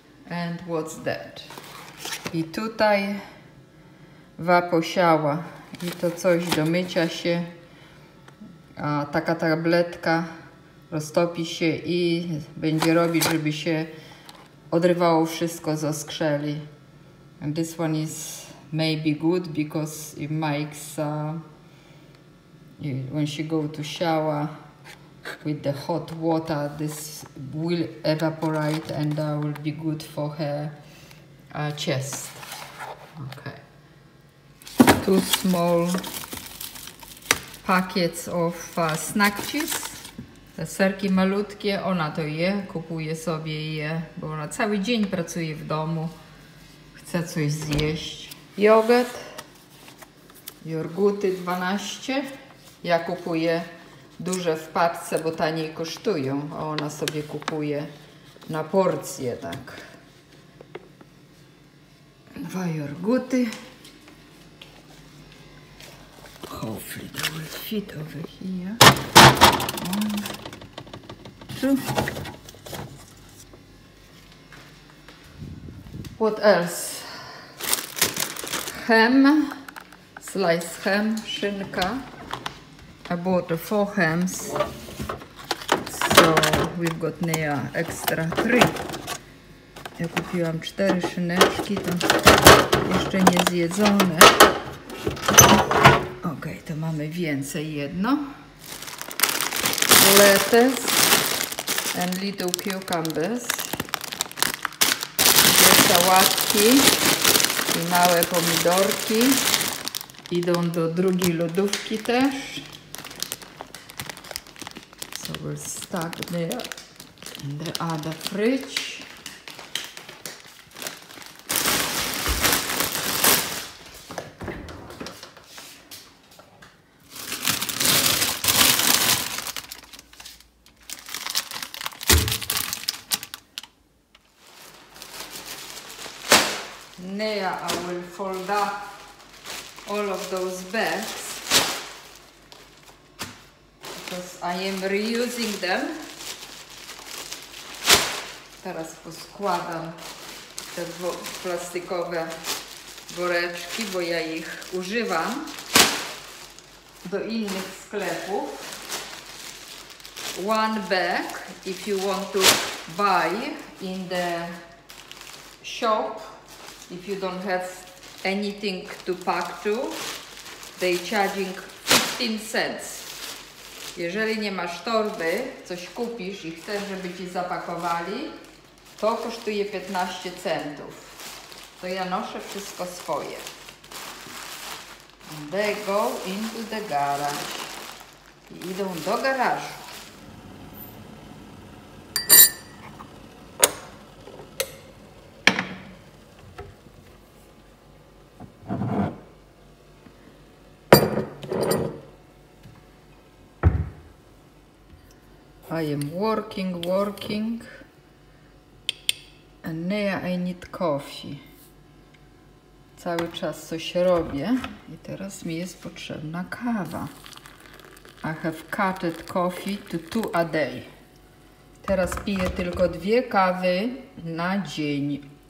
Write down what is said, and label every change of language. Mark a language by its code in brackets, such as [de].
[en] And what's that? [pl] I tutaj wa posiała. I to coś do mycia się. A taka tabletka roztopi się i będzie robić, żeby się odrywało wszystko ze skrzeli. [en] And this one is maybe good because it makes when she go to shower with the hot water, this will evaporate and that will be good for her chest. Okay. Two small packets of snack chips. [pl] Te serki malutkie, ona to je, kupuje sobie je, bo ona cały dzień pracuje w domu, chce coś zjeść. Jogurt, jogurty 12, ja kupuję duże w paczce, bo taniej kosztują, a ona sobie kupuje na porcję, tak. Dwa jogurty. [en] Hopefully they will fit over here. What else? Ham, slice ham, szynka. I bought four hams, so we've got near extra three. [pl] Ja kupiłam cztery szyneczki, to jeszcze nie zjedzone. Okej, to mamy więcej jedno. Lettuce. [en] And little cucumbers. [pl] Dwie sałatki i małe pomidorki idą do drugiej lodówki też. [en] So we'll stack there in the other fridge. Nea, I will fold up all of those bags because I am reusing them. [pl] Teraz poskładam te plastikowe woreczki, bo ja ich używam do innych sklepów. [en] One bag, if you want to buy in the shop. If you don't have anything to pack to, they charging 15 cents. [pl] Jeżeli nie masz torby, coś kupisz i chcesz, żeby ci zapakowali, to kosztuje 15 centów. To ja noszę wszystko swoje. [en] And they go into the garage. [pl] I idą do garażu. [en] I am working, working, and now I need coffee. [pl] Cały czas coś robię i teraz mi jest potrzebna kawa. [en] I have cut it coffee to two a day. [pl] Teraz piję tylko dwie kawy na dzień.